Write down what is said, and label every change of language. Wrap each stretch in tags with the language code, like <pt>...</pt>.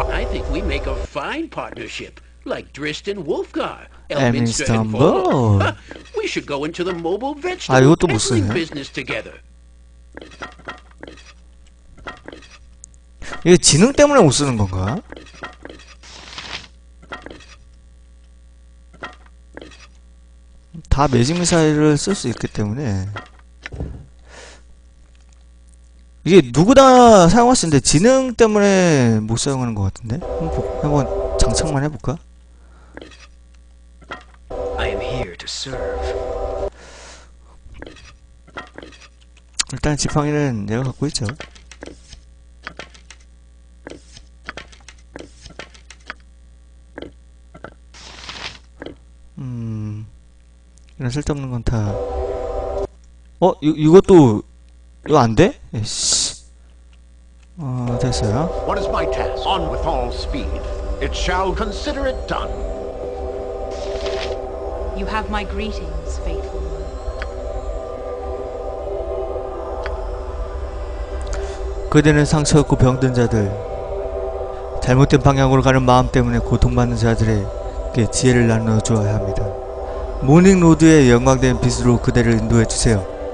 <en>I think we make a fine partnership, like Drist and Wolfgar, Elminster and Vol. We should go into the mobile vegetable business together.</en> <ko>이게 지능 때문에 못 쓰는 건가? (웃음) 다 매직 미사일을 쓸 수 있기 때문에. 이게 누구 다 사용할 수 있는데 지능 때문에 못 사용하는 것 같은데? 한번 장착만 해볼까?</ko> <en>I am here to serve.</en> <ko>일단 지팡이는 내가 갖고 있죠. 이런 쓸데없는 건 다. 어? 이것도 이거 안 돼? 에이씨. 됐어요.</ko> <en>What is my task? On with all speed. It shall consider it done. You have my greetings, faithful.</en> <ko>그대는 상처 입고 병든 자들, 잘못된 방향으로 가는 마음 때문에 고통받는 자들에게 지혜를 나누어 주어야 합니다. 모닝 로드의 영광된 빛으로 그대를 인도해 주세요.</ko>